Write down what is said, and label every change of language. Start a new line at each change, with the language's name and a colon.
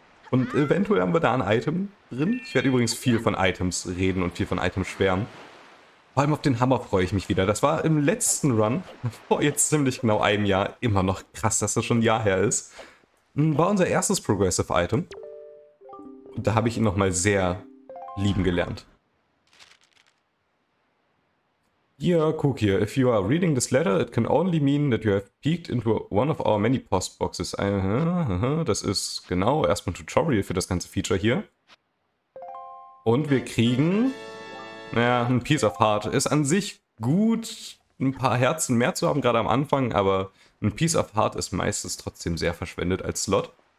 German: Und eventuell haben wir da ein Item drin. Ich werde übrigens viel von Items reden und viel von Items schwärmen. Vor allem auf den Hammer freue ich mich wieder. Das war im letzten Run, vor jetzt ziemlich genau einem Jahr, immer noch krass, dass das schon ein Jahr her ist, war unser erstes Progressive Item. Und da habe ich ihn nochmal sehr lieben gelernt.
English: Dear Cookie, if you are reading this letter, it can only mean that you have peeked into one of our many postboxes.
German: Das ist genau erstmal ein Tutorial für das ganze Feature hier. Und wir kriegen... Naja, ein Piece of Heart ist an sich gut, ein paar Herzen mehr zu haben, gerade am Anfang, aber ein Piece of Heart ist meistens trotzdem sehr verschwendet als Slot.